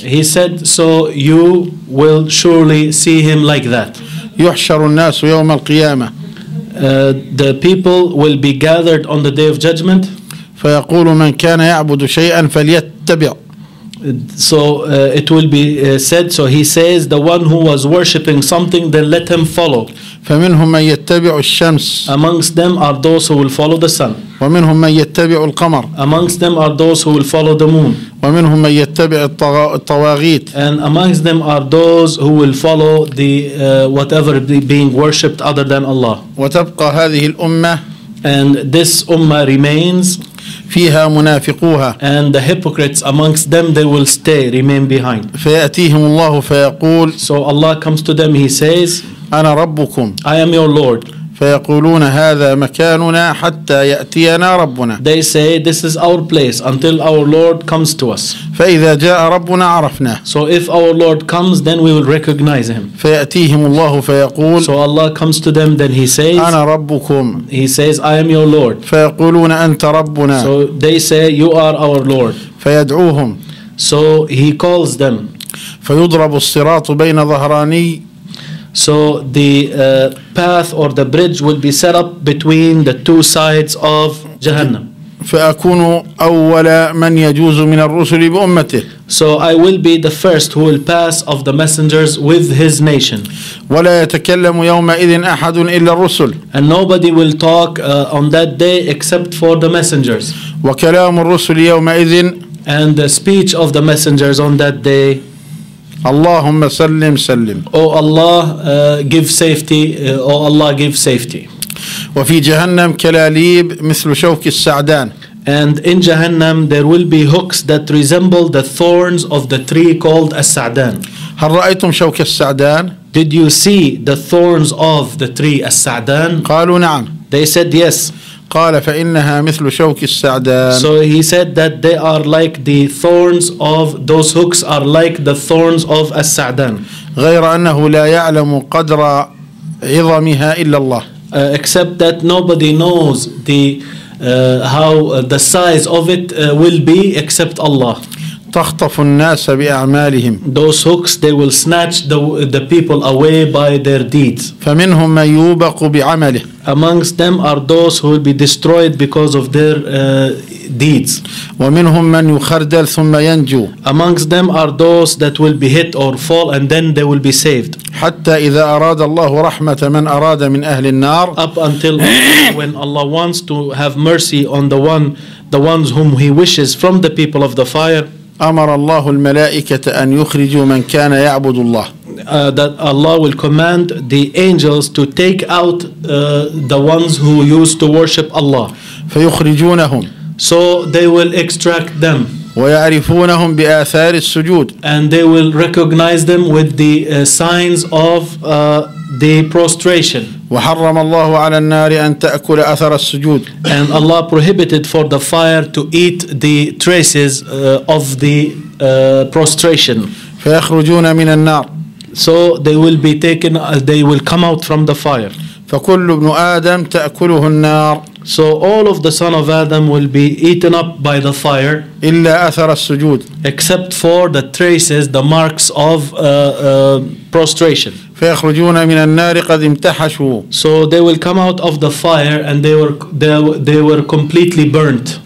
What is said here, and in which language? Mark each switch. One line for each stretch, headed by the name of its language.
English: He said, so you will surely see him like that.
Arabic: يحشر الناس يوم القيامة.
English: The people will be gathered on the day of judgment.
Arabic: فيقول من كان يعبد شيئا فليتبع.
English: So it will be said. So he says, the one who was worshipping something, then let him follow.
Arabic: فمنهم من يتبع الشمس.
English: Amongst them are those who will follow the sun.
Arabic: ومنهم من يتبع القمر.
English: Amongst them are those who will follow the moon.
Arabic: ومنهم من يتبع الطواغيت.
English: And amongst them are those who will follow the whatever being worshipped other than Allah.
Arabic: وتبقى هذه الأمة.
English: And this ummah remains.
Arabic: فيها منافقوها.
English: And the hypocrites amongst them, they will stay, remain behind.
Arabic: فيأتيهم الله فيقول.
English: So Allah comes to them, he says,
Arabic: أنا ربكم.
English: I am your Lord.
Arabic: فيقولون هذا مكاننا حتى يأتينا ربنا.
English: They say, this is our place until our Lord comes to us.
Arabic: فإذا جاء ربنا عرفنا.
English: So if our Lord comes, then we will recognize him.
Arabic: فيأتيهم الله فيقول.
English: So Allah comes to them, then he says,
Arabic: أنا ربكم.
English: He says, I am your Lord.
Arabic: فيقولون أنت ربنا.
English: So they say, you are our Lord.
Arabic: فيدعوهم.
English: So he calls them.
Arabic: فيضرب الصراط بين ظهراني.
English: So the path or the bridge will be set up between the two sides of Jahannam.
Arabic: فأكون أول من يجوز من الرسل بأمته.
English: So I will be the first who will pass of the messengers with his nation.
Arabic: ولا يتكلم يومئذ أحد إلا الرسل.
English: And nobody will talk on that day except for the messengers.
Arabic: وكلام الرسل يومئذ.
English: And the speech of the messengers on that day.
Arabic: اللهم سلم سلم.
English: Oh Allah, give safety. Oh Allah, give safety.
Arabic: وفي جهنم كلاليب مثل شوك السعدان.
English: And in Jahannam there will be hooks that resemble the thorns of the tree called As-Sa'dan.
Arabic: هل رأيتم شوك السعدان؟
English: Did you see the thorns of the tree As-Sa'dan?
Arabic: قالوا نعم.
English: They said yes.
Arabic: قال فإنها مثل شوك السعدان.
English: So he said that they are like the thorns of, those hooks are like the thorns of السعدان.
Arabic: غير أنه لا يعلم قدر عظمها إلا الله.
English: Except that nobody knows the how the size of it will be except Allah.
Arabic: تخطف الناس بأعمالهم.
English: Those hooks, they will snatch the people away by their deeds.
Arabic: فمنهم من يوبق بعمله.
English: Amongst them are those who will be destroyed because of their deeds.
Arabic: ومنهم من يخردل ثم ينجو.
English: Amongst them are those that will be hit or fall and then they will be saved.
Arabic: حتى إذا أراد الله رحمة من أراد من أهل النار.
English: Up until when Allah wants to have mercy on the ones whom He wishes from the people of the fire.
Arabic: أمر الله الملائكة أن يخرجوا من كان يعبد الله.
English: That Allah will command the angels to take out the ones who used to worship Allah.
Arabic: فيخرجونهم.
English: So they will extract them.
Arabic: ويعرفونهم بآثار السجود.
English: And they will recognize them with the signs of the prostration.
Arabic: وحرم الله على النار أن تأكل أثر السجود.
English: And Allah prohibited for the fire to eat the traces of the prostration.
Arabic: فيخرجون من النار.
English: So they will be taken, they will come out from the fire.
Arabic: فكل ابن آدم تأكله النار.
English: So all of the son of Adam will be eaten up by the fire.
Arabic: إلا أثر السجود.
English: Except for the traces, the marks of prostration.
Arabic: فيخرجون من النار قد امتحشوا.
English: So they will come out of the fire and they were completely burnt.